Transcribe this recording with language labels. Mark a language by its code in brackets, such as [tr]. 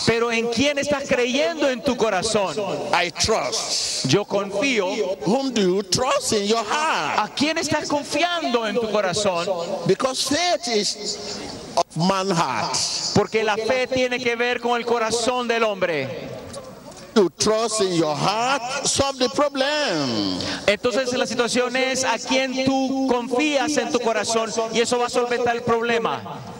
[es] Pero ¿en quién estás creyendo en tu corazón? [en] I trust. [es] Yo confío. [en] Whom do you trust in your heart? [es] ¿A quién estás confiando en tu corazón? [en] Because faith is of man heart. [es] Porque la fe tiene que ver con el corazón del hombre. [en] To trust in your heart, solve the problem. [es] Entonces la situación es a quién tú confías en tu corazón y eso va a solventar el problema.